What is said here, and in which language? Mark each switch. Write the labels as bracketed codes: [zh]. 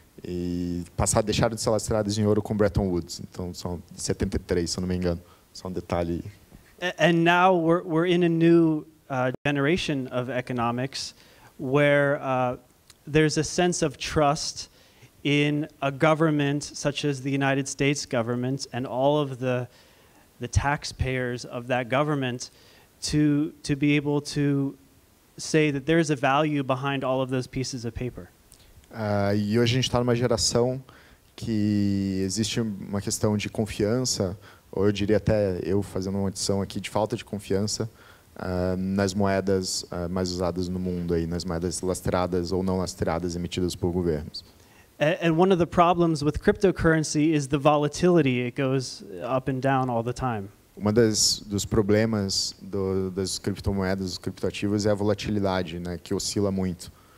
[pt] E deixaram de ser lastreadas em ouro com Bretton Woods. Então, são 73, se não me engano. Só um detalhe. [en] And now we're in a new generation of economics where there's a sense of trust in a government such as the United States government and all of the taxpayers of that government to be able to say that there is a value behind all of those pieces of paper. [pt] E hoje a gente está numa geração que existe uma questão de confiança, ou eu diria até eu fazendo uma adição aqui, de falta de confiança nas moedas mais usadas no mundo, aí, nas moedas lastreadas ou não lastreadas emitidas por governos. [en] And one of the problems with cryptocurrency is the volatility. It goes up and down all the time. [pt] Uma dos problemas das criptomoedas, dos criptoativos, é a volatilidade, né, que oscila muito.